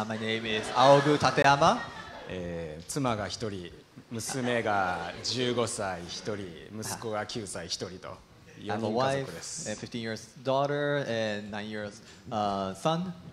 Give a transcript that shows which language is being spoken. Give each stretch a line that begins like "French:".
English: My name is 青久立山。
Japanese: 妻が一人、娘が15歳一人、息子が9歳一人と。
English: I have a wife, a 15 years daughter, and 9 years son.